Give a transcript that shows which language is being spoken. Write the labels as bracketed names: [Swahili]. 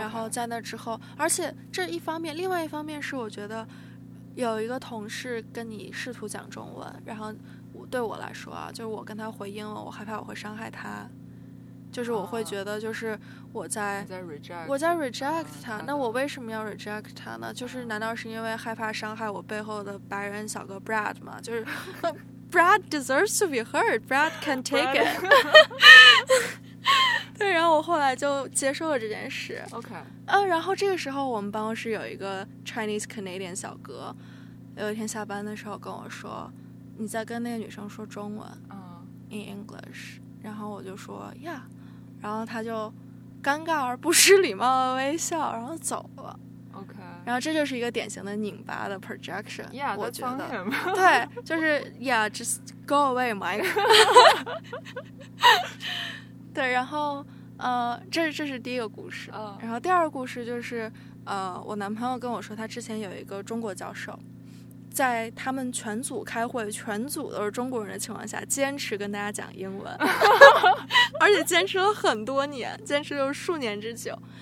[Chinese] 然后在那之后，而且这一方面，另外一方面是我觉得有一个同事跟你试图讲中文，然后我对我来说啊，就是我跟他回英文，我害怕我会伤害他，就是我会觉得就是我在 reject 他，那我为什么要 reject 他呢？就是难道是因为害怕伤害我背后的白人小哥 Brad 吗？就是 [English] Brad deserves to be hurt, Brad can take it. [Chinese] 对，然后我后来就接受了这件事。 [English] OK。 [Chinese] 然后这个时候我们办公室有一个 Chinese Canadian 小哥，有一天下班的时候跟我说，你在跟那个女生说中文。 [English] In English。 [Chinese] 然后我就说 ， [English] Yeah。 [Chinese] 然后他就尴尬而不失礼貌的微笑，然后走了。 [English] OK， [Chinese] 然后这就是一个典型的拧巴的 projection。 [English] Yeah， [Chinese] 我觉得对，就是 [English] Yeah， just go away, Mike。 [Chinese] 对，然后这是第一个故事。然后第二个故事就是我男朋友跟我说，他之前有一个中国教授，在他们全组开会，全组都是中国人的情况下，坚持跟大家讲英文，而且坚持了很多年，坚持了数年之久。